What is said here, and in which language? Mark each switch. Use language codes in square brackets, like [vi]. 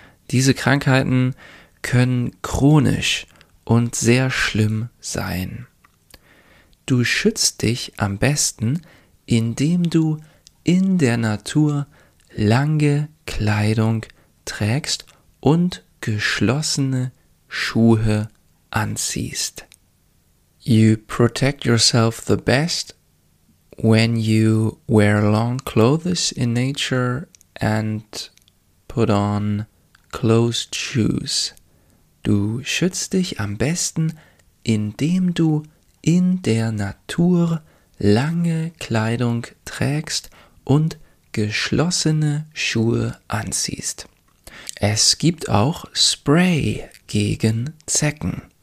[de] Diese Krankheiten können chronisch und sehr schlimm sein. Du schützt dich am besten, indem du in der Natur lange Kleidung trägst und geschlossene Schuhe anziehst. [en] You protect yourself the best when you wear long clothes in nature and put on closed shoes. [de] Du schützt dich am besten, indem du in der Natur lange Kleidung trägst und geschlossene Schuhe anziehst. Es gibt auch Spray gegen Zecken.